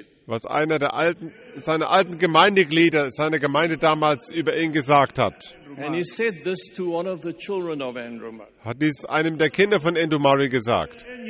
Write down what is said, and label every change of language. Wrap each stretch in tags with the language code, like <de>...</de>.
<de>was einer der alten, seiner alten Gemeindeglieder, seiner Gemeinde damals über ihn gesagt hat.</de> <en>And he said this to one of the children of Andruma.</en> <de>Hat dies einem der Kinder von Endumari gesagt.</de>